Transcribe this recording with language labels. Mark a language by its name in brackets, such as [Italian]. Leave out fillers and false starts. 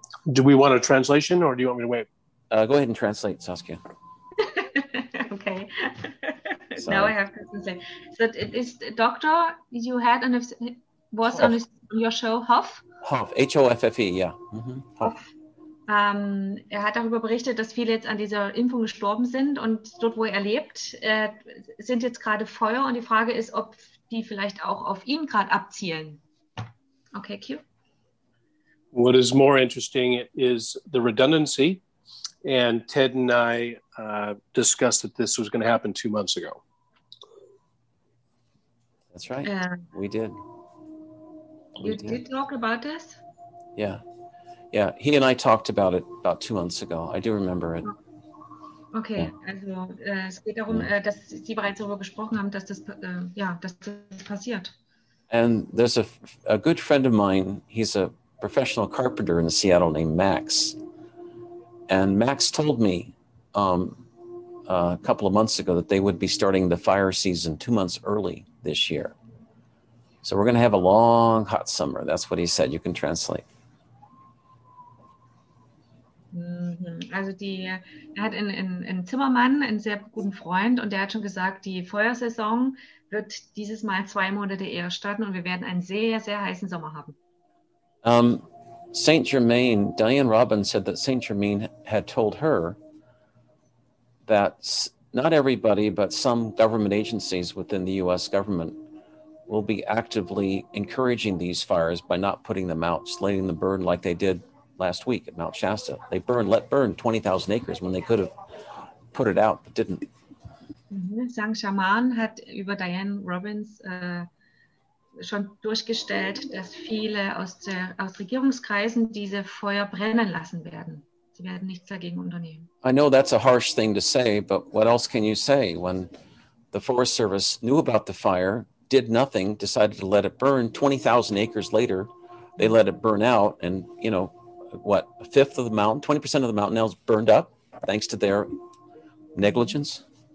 [English] Do we want a translation or do you want me to wait? Go ahead and translate, Saskia. Okay. So. Now I have to say. So it is Dr. you had on his, was Hoff. On his, your show, Hoff? Hoff, H-O-F-F-E, yeah. Mm-hmm. Hoff. [German] Er hat darüber berichtet, dass viele jetzt an dieser Impfung gestorben sind und dort, wo er lebt, sind jetzt gerade Feuer und die Frage ist, ob die vielleicht auch auf ihn gerade abzielen. [English] Okay, Q. What is more interesting is the redundancy. And Ted and I discussed that this was going to happen 2 months ago. That's right. We did. You did talk about this? Yeah. Yeah. He and I talked about it about 2 months ago. I do remember it. Okay. Yeah. [German] Also, es geht darum, dass Sie bereits darüber gesprochen haben, dass das passiert. [English] And there's a good friend of mine. He's a professional carpenter in Seattle named Max. And Max told me a couple of months ago that they would be starting the fire season 2 months early this year. So we're going to have a long, hot summer. That's what he said. You can translate. [German] Also die, er hat einen Zimmermann, einen sehr guten Freund, und der hat schon gesagt, die Feuersaison wird dieses Mal 2 Monate eher starten und wir werden einen sehr, sehr heißen Sommer haben. [English] Saint Germain, Diane Robbins said that Saint Germain had told her that not everybody, but some government agencies within the U.S. government will be actively encouraging these fires by not putting them out, just letting them burn like they did last week at Mount Shasta. They burned, let burn 20,000 acres when they could have put it out, but didn't. [German] Saint Germain hat über Diane Robbins schon durchgestellt, dass viele aus Regierungskreisen diese Feuer brennen lassen werden. Sie werden nichts dagegen unternehmen. [English] I know that's a harsh thing to say, but what else can you say when the Forest Service knew about the fire, did nothing, decided to let it burn, 20,000 acres later, they let it burn out, and, you know, what, a fifth of the mountain, 20% of the mountain is burned up thanks to their negligence?